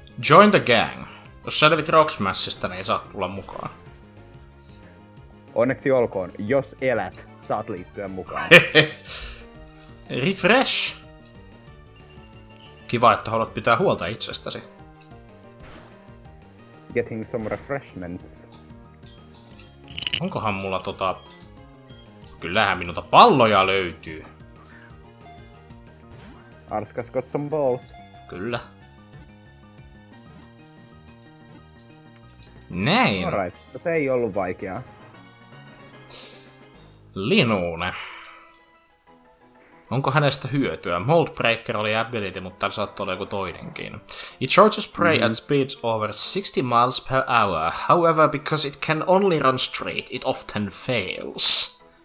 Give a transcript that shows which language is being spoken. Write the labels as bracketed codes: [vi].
[en] Join the gang. [fi] Jos selvit Rocksmashista, niin saat tulla mukaan. onneksi olkoon, jos elät, saat liittyä mukaan. [en] Refresh! [fi] Kiva, että haluat pitää huolta itsestäsi. [en] Getting some refreshments. [fi] Onkohan mulla tota... Kyllähän minulta palloja löytyy. [en] Arskas got some balls. [fi] Kyllä. Näin. Alright, se ei ollut vaikeaa. Linuune. Onko hänestä hyötyä? Mold Breaker oli ability, mutta täällä saattoi olla joku toinenkin. [en] It charges prey at speeds over 60 miles per hour. However, because it can only run straight, it often fails.